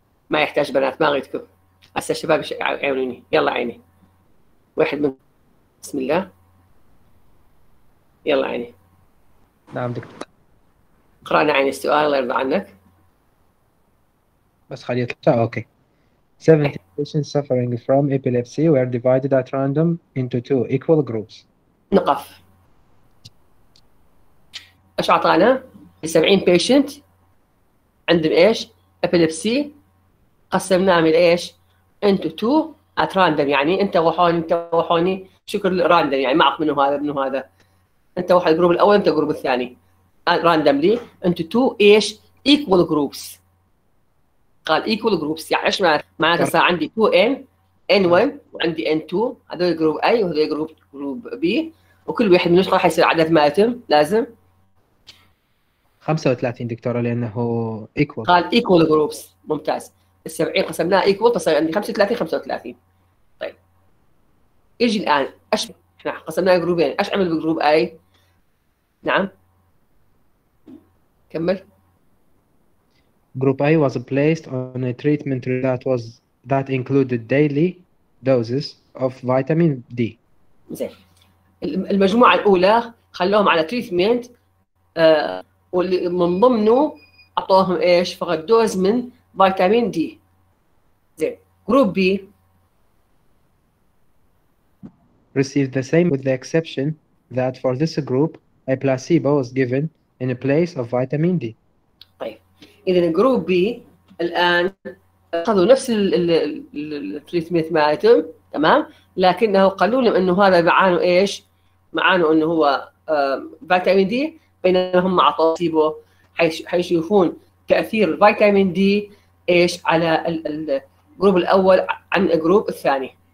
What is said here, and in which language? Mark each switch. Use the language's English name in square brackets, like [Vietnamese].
[Arabic] ما يحتاج بنات، ما اريدكم. هسه الشباب يعاونوني، يلا عيني. واحد من بسم الله. يلا عيني. نعم دكتور. قرانا عيني السؤال الله يرضى عنك. بس خلي يطلع. اوكي. [English] 70 patients suffering from epilepsy were divided at random into two equal groups. [Arabic] نقف. ايش اعطانا؟ 70 patient عندهم ايش؟ epilepsy، قسمناهم الى ايش؟ [English] into two at random، [Arabic] يعني انت وحوني شكر راندم، يعني معك منو هذا منو هذا. انت واحد الجروب الاول، انت الجروب الثاني. [English] randomly into two ايش؟ equal groups. [Arabic] قال [English] equal groups، [Arabic] يعني ايش معناته؟ صار عندي 2n n1 وعندي n2، هذول جروب A وهذول جروب B، وكل واحد منهم راح يصير عدد مالتهم لازم 35 دكتوره، لانه equal. قال [English] equal groups، [Arabic] ممتاز. ال 70 قسمناها equal فصار عندي 35 35. طيب يجي الان ايش احنا قسمناها جروبين، ايش عمل بجروب A؟ نعم كمل. [English] Group A was placed on a treatment that included daily doses of vitamin D. [Arabic] زين. المجموعة الأولى خلوهم على [English] treatment [Arabic] واللي من ضمنه أعطوهم إيش؟ فقط دوز من فيتامين دي. [English] زين. Group B received the same with the exception that for this group a placebo was given in a place of vitamin D. [Arabic] إذا جروب بي الآن أخذوا نفس التريتمنت مالتهم، تمام، لكنه قالوا لهم إنه هذا معانه إيش؟ معانه إنه هو فيتامين دي، بينما هم أعطوه بلاسيبو، حيشوفون تأثير الفيتامين دي إيش على الجروب الأول عن الجروب الثاني.